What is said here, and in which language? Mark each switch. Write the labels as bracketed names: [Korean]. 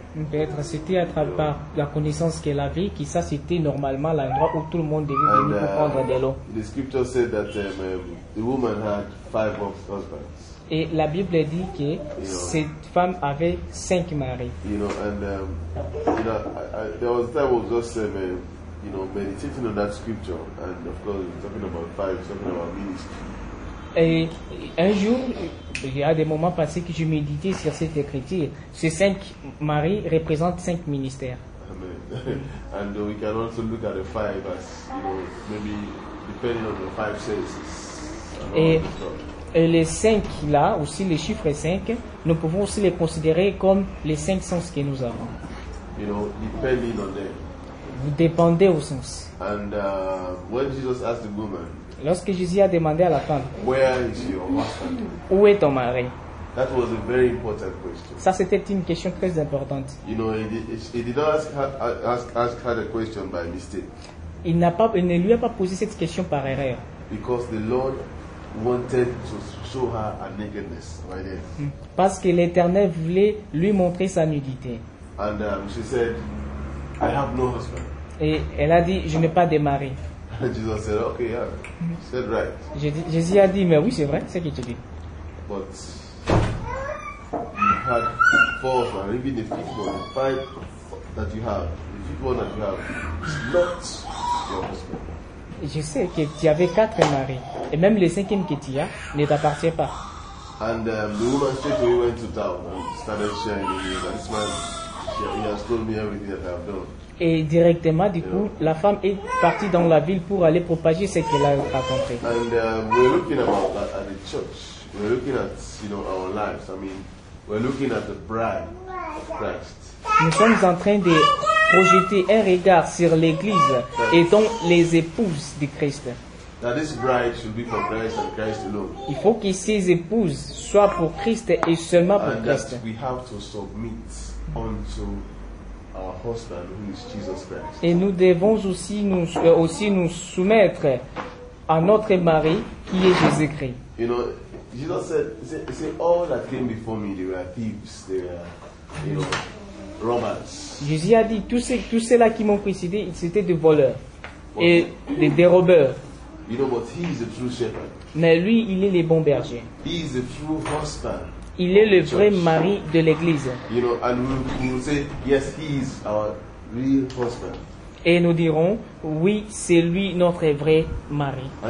[French] Peut-être c'était à travers la connaissance qu'elle avait, que ça c'était normalement l'endroit où tout le monde devait venir pour prendre de l'eau. [English] The scripture said that the woman had five husbands. [French] Et la Bible dit que cette femme avait cinq maris. [English] You know, and I was just meditating on that scripture, and of course talking about five, talking about ministry. [French] Et un jour, il y a des moments passés que je méditais sur cette écriture. Ces cinq maris représentent cinq ministères. Amen. [English] And we can also look at the five as, you know, maybe depending on the five senses. [French] Et les cinq là, aussi les chiffres cinq, nous pouvons aussi les considérer comme les cinq sens que nous avons. [English] You know, depending on them. [French] Vous dépendez aux sens. [English] And when Jesus asked the woman. [French] Lorsque Jésus a demandé à la femme, [English] where is your husband? [French] Où est ton mari? [English] That was a very important question. [French] Ça, c'était une question très importante. [English] You know, he did not ask her the question by mistake. [French] Il ne lui a pas posé cette question par erreur. [English] Because the Lord wanted to show her a nakedness right there. [French] Parce que l'Éternel voulait lui montrer sa nudité. [English] And she said, I have no husband. [French] Et elle a dit, je n'ai pas de mari. [English] Jesus said, okay, yeah. Said right. [French] Jésus a dit, mais oui, c'est vrai, c'est ce que tu dis. [English] But you had four of them, even the fifth one, five that you have, the fifth one that you have is not your husband. [French] Je sais que tu avais quatre maris, et même le cinquième que tu as ne t'appartient pas. [English] And the woman said, we went to town and started sharing with you, this man, he has told me everything that I have done. [French] Et directement, du coup, la femme est partie dans la ville pour aller propager ce qu'elle a raconté. [English] And we're looking at the church. We're looking at, you know, our lives. I mean, we're looking at the bride of Christ. [French] Nous sommes en train de projeter un regard sur l'Église et donc les épouses de Christ. [English] That this bride should be for Christ and Christ alone. [French] Il faut que ces épouses soient pour Christ et seulement pour [English] and And that we have to submit unto our husband, who is Jesus Christ. [French] Et nous devons aussi nous soumettre à notre mari qui est Jésus-Christ. [English] You know, Jesus said, all that came before me, they were thieves, they were, you know, robbers. [French] Jésus a dit, tous ceux-là qui m'ont précédé, ils étaient des voleurs et des dérobeurs. [English] You know, but he is a true shepherd. [French] Mais lui, il est le bon berger. [English] He is a true husband. [French] Il est le vrai mari de l'Église. [English] You know, and we'll say, yes, he is our real husband. [French] Et nous dirons, oui, c'est lui notre vrai mari.